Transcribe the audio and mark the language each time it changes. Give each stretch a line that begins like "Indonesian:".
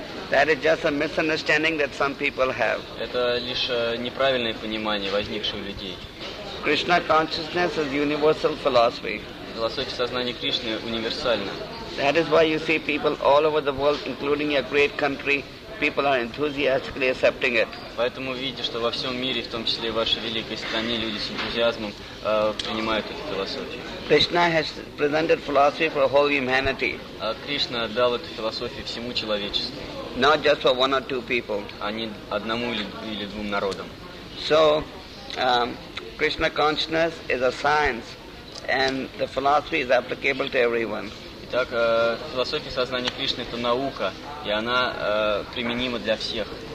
English: That is just a misunderstanding that some people have.
Russian: Это лишь неправильное понимание, возникшее у людей.
English: Krishna consciousness is universal philosophy.
Russian: Философия сознания Кришны универсальна.
English: That is why you see people all over the world, including your great country, people are enthusiastically accepting it.
Russian: Поэтому видите, что во всем мире, в том числе и в вашей великой стране, люди с энтузиазмом принимают эту философию.
English: Krishna has presented philosophy for whole humanity.
Russian: Кришна дал эту философию всему человечеству.
English: Not just for one or two people.
Russian: А не одному или двум народам.
English: So, Krishna consciousness is a science, and the philosophy is applicable to everyone.
Russian: Итак, философия сознания Кришны – это наука, и она применима для всех.